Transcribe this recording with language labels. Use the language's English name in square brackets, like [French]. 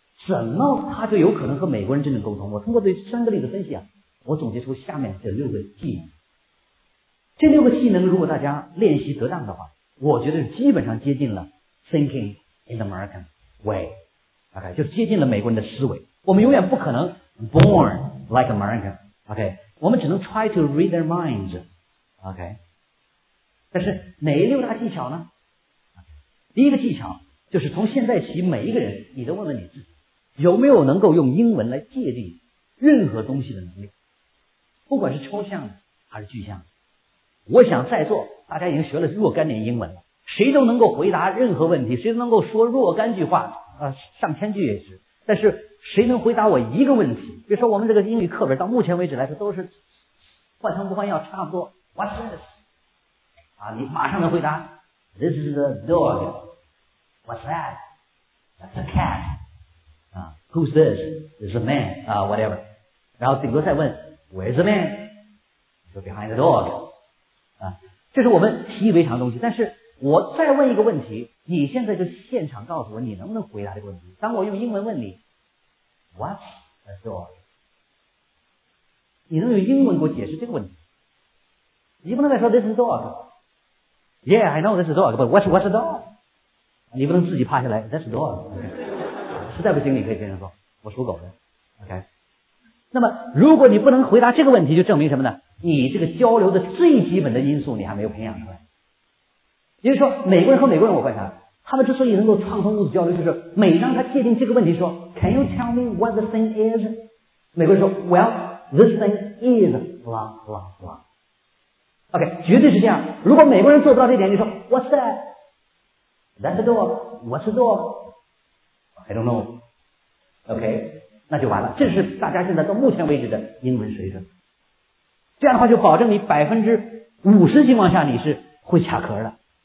[Chinese] 怎么他就有可能和美国人真正沟通？我通过这三个例子分析啊，我总结出下面这六个技能。这六个技能如果大家练习得当的话，我觉得基本上接近了 [English] thinking in the American way， [Chinese] OK， 就接近了美国人的思维。我们永远不可能 [English] born like American， [Chinese] OK， 我们只能 [English] try to read their minds， [Chinese] OK。但是哪六大技巧呢？第一个技巧就是从现在起，每一个人你都问问你自己，有没有能够用英文来界定任何东西的能力，不管是抽象的还是具象的。我想在座大家已经学了若干年英文了，谁都能够回答任何问题，谁都能够说若干句话，上千句也是。但是谁能回答我一个问题？比如说我们这个英语课本到目前为止来说都是换汤不换药，差不多 [English] What's this？ [Chinese] 啊，你马上能回答 [English] This is a dog. What's that? That's a cat. Who's this? This is a man. Whatever. [Chinese] 然后顶多再问 [English] Where's the man? So behind the dog. [Chinese] 这是我们习以为常的东西。但是我再问一个问题，你现在就现场告诉我你能不能回答这个问题。当我用英文问你 [English] What's a dog? [Chinese] 你能用英文给我解释这个问题？你不能再说 [English] This is a dog. Yeah, I know that's a dog, but what's a dog? [Chinese] 你不能自己趴下来 [English] that's a dog. [Chinese] 实在不行你可以跟人说我属狗的。 [English] OK。 [Chinese] 那么如果你不能回答这个问题，就证明什么呢？你这个交流的最基本的因素你还没有培养出来。也就是说美国人和美国人我观察，他们之所以能够畅通无阻交流，就是每当他界定这个问题说 [English] Can you tell me what the thing is? [Chinese] 美国人说 [English] Well, this thing is blah, blah, blah. [Chinese] OK， 绝对是这样。如果美国人做不到这点，你说 [English] What's that? That's a door. What's a door? I don't know. [Chinese] OK， 那就完了。这是大家现在到目前为止的英文水准。这样的话就保证你 50% 情况下你是会卡壳的。